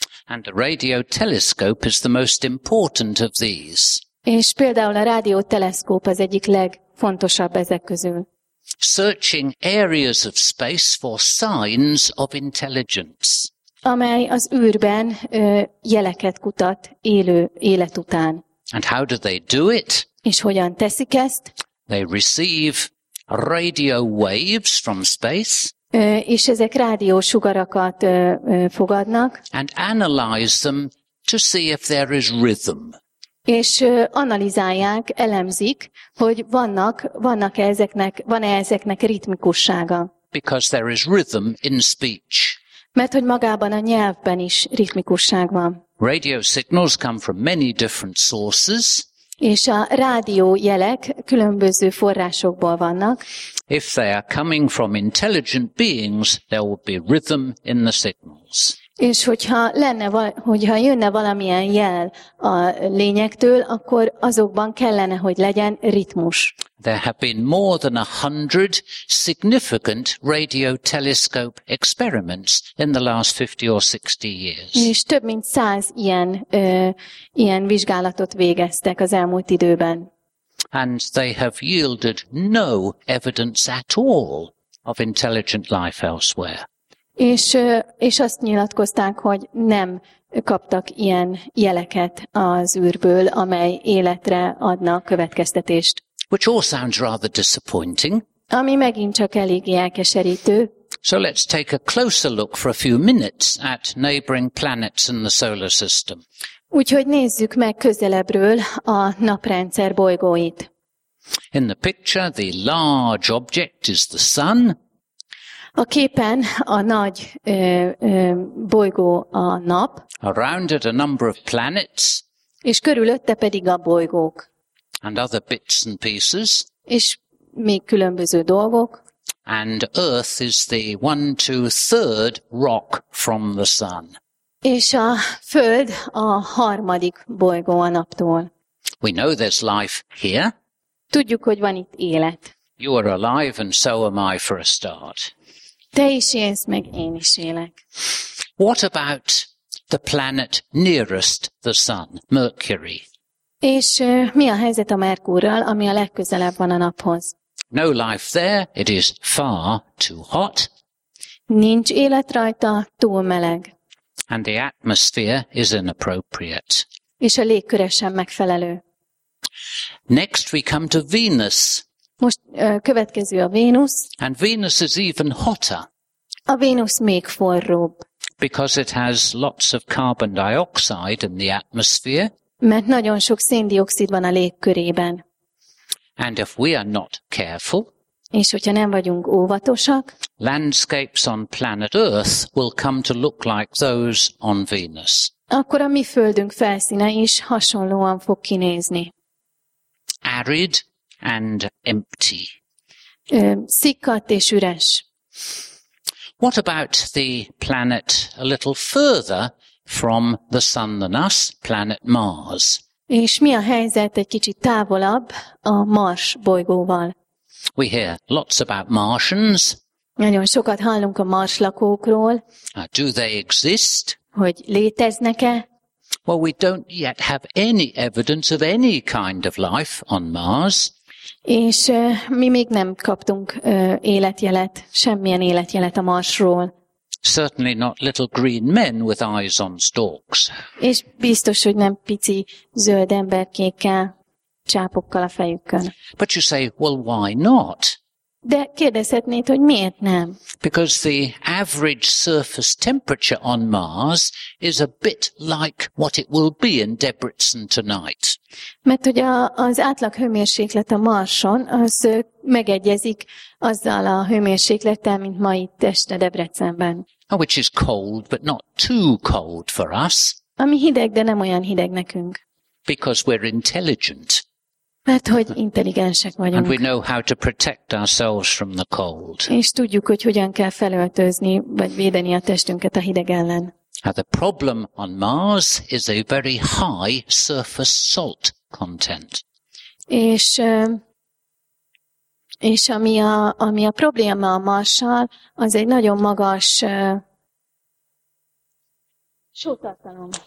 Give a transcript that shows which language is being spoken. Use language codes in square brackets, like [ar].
[en] And the radio telescope is the most important of these. [hu] És például a rádió teleszkóp az egyik fontosabb ezek közül. [en] Searching areas of space for signs of intelligence. [hu] Amely az űrben jeleket kutat élő élet után. [en] And how do they do it? [hu] És hogyan teszik ezt? [en] They receive radio waves from space. [hu] És ezek rádiósugarakat fogadnak. [en] And analyze them to see if there is rhythm. [hu] És analizálják, elemzik, hogy van-e ezeknek ritmikussága. [en] Because there is rhythm in speech. [hu] Mert hogy magában a nyelvben is ritmikusság van. [en] Radio signals come from many different sources. [hu] És a rádió jelek különböző forrásokból vannak. [en] If they are coming from intelligent beings, there would be rhythm in the signals. [hu] És hogyha jönne valamilyen jel a lényektől, akkor azokban kellene, hogy legyen ritmus. [en] There have been more than 100 significant radio telescope experiments in the last 50 or 60 years. [hu] És több mint 100 ilyen vizsgálatot végeztek az elmúlt időben. [en] And they have yielded no evidence at all of intelligent life elsewhere. [hu] És azt nyilatkozták, hogy nem kaptak ilyen jeleket az űrből, amely életre adna következtetést. [en] Which all sounds rather disappointing. [hu] Ami megint csak eléggé elkeserítő. [en] So let's take a closer look for a few minutes at neighboring planets in the solar system. [hu] Úgyhogy nézzük meg közelebbről a naprendszer bolygóit. [en] In the picture, the large object is the sun. [hu] A képen a nagy bolygó a nap. [en] Around it a number of planets. [hu] És körülötte pedig a bolygók. [en] And other bits and pieces. [hu] És még különböző dolgok. [en] And Earth is the 1/2 rock from the sun. [hu] És a Föld a harmadik bolygó a naptól. [en] We know there's life here. [hu] Tudjuk, hogy van itt élet. [en] You are alive and so am I for a start. [hu] Te is élsz, meg én is élek. [en] What about the planet nearest the sun, Mercury? [hu] És mi a helyzet a Merkúrral, ami a legközelebb van a naphoz? [en] No life there, it is far too hot. [hu] Nincs élet rajta, túl meleg. [en] And the atmosphere is inappropriate. [hu] És a légköre sem megfelelő. [en] Next we come to Venus. [hu] Most következő a Vénusz. [en] And Venus is even hotter. [hu] A Vénusz még forróbb. [en] Because it has lots of carbon dioxide in the atmosphere. [hu] Mert nagyon sok széndioxid van a légkörében. [en] And if we are not careful, [hu] és hogyha nem vagyunk óvatosak, [en] landscapes on planet Earth will come to look like those on Venus. [hu] Akkor a mi földünk felszíne is hasonlóan fog kinézni. [en] Arid and empty. [hu] Szikkadt és üres. [en] What about the planet a little further from the sun than us, planet Mars? [hu] És mi a helyzet egy kicsit távolabb a Mars bolygóval? [en] We hear lots about Martians. [hu] Nagyon sokat hallunk a Mars lakókról. [en] Do they exist? [hu] Hogy léteznek-e? [en] Well, we don't yet have any evidence of any kind of life on Mars. [hu] És mi még nem kaptunk életjelet, semmilyen életjelet a Marsról. [en] Certainly not little green men with eyes on stalks. [hu] És biztos, hogy nem pici zöld emberkékkel, csápokkal a fejükön. [en] But you say, well, why not? [hu] De kérdezhetnéd, hogy miért nem? [en] Because the average surface temperature on Mars is a bit like what it will be in Debrecen tonight. [hu] Mert hogy az átlag hőmérséklet a Marson, az megegyezik azzal a hőmérséklettel, mint ma itt este Debrecenben. [en] Which is cold, but not too cold for us. [hu] Ami hideg, de nem olyan hideg nekünk. [en] Because we're intelligent. [hu] Mert hogy intelligensek vagyunk. [en] And we know how to protect ourselves from the cold. [hu] És tudjuk, hogy hogyan kell felöltözni, vagy védeni a testünket a hideg ellen. [en] Now the problem on Mars is a very high surface salt content. [hu] És ami a probléma a Marssal, az egy nagyon magas sótartalom.